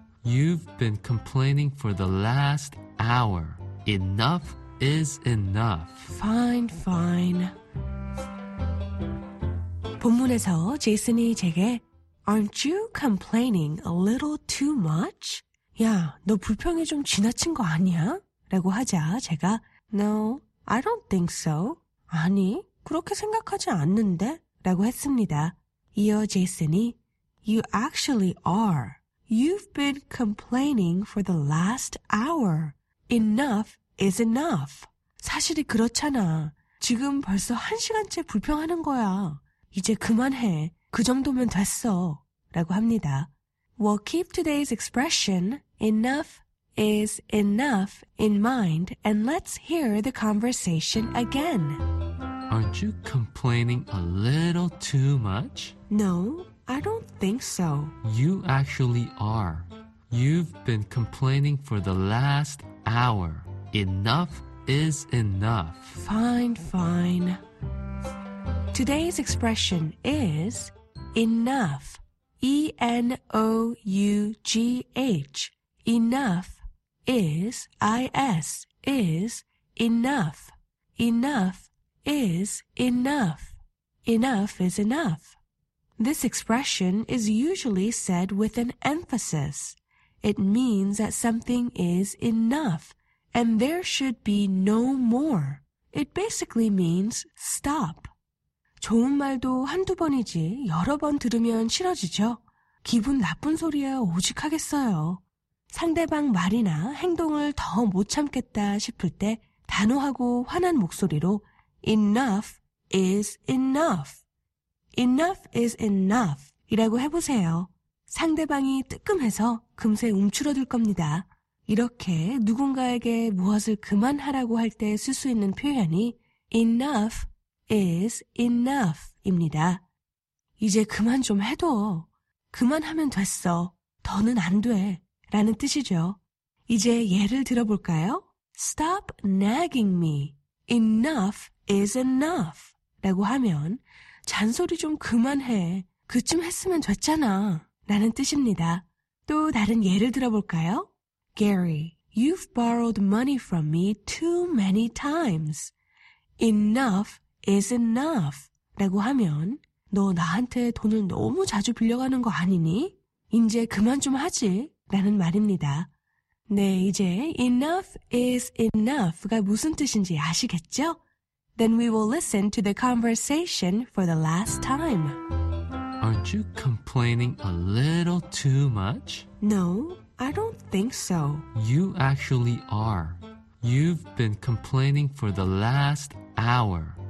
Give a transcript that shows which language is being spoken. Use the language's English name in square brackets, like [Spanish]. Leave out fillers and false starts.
[English] You've been complaining for the last hour. Enough is enough. Fine, fine. [Korean] 본문에서 제이슨이 제게 [English] Aren't you complaining a little too much? [Korean] 야, 너 불평이 좀 지나친 거 아니야? 라고 하자 제가 [English] No, I don't think so. [Korean] 아니, 그렇게 생각하지 않는데? 라고 했습니다. 이어 제이슨이 [English] You actually are. You've been complaining for the last hour. Enough is enough. [Korean] 사실이 그렇잖아. 지금 벌써 한 시간째 불평하는 거야. 이제 그만해. 그 정도면 됐어. 라고 합니다. [English] We'll keep today's expression, enough is enough, in mind, and let's hear the conversation again. Aren't you complaining a little too much? No, I don't think so. You actually are. You've been complaining for the last hour. Enough is enough. Fine, fine. Today's expression is enough. E-N-O-U-G-H. Enough is I-S. Is enough. Enough is enough. Enough is enough. This expression is usually said with an emphasis. It means that something is enough and there should be no more. It basically means stop. [Korean] 좋은 말도 한두 번이지 여러 번 들으면 싫어지죠. 기분 나쁜 소리야 오직 하겠어요. 상대방 말이나 행동을 더 못 참겠다 싶을 때 단호하고 화난 목소리로 [English] enough is enough. Enough is enough [Korean] 이라고 해보세요. 상대방이 뜨끔해서 금세 움츠러들 겁니다. 이렇게 누군가에게 무엇을 그만하라고 할 때 쓸 수 있는 표현이 [English] enough is enough [Korean] 입니다. 이제 그만 좀 해둬. 그만하면 됐어. 더는 안 돼. 라는 뜻이죠. 이제 예를 들어볼까요? [English] Stop nagging me. Enough is enough. [Korean] 라고 하면 잔소리 좀 그만해. 그쯤 했으면 됐잖아. 라는 뜻입니다. 또 다른 예를 들어볼까요? [English] Gary, you've borrowed money from me too many times. Enough is enough. [Korean] 라고 하면 너 나한테 돈을 너무 자주 빌려가는 거 아니니? 이제 그만 좀 하지. 라는 말입니다. 네, 이제 [English] enough is enough [Korean] 가 무슨 뜻인지 아시겠죠? [English] Then we will listen to the conversation for the last time. Aren't you complaining a little too much? No, I don't think so. You actually are. You've been complaining for the last hour.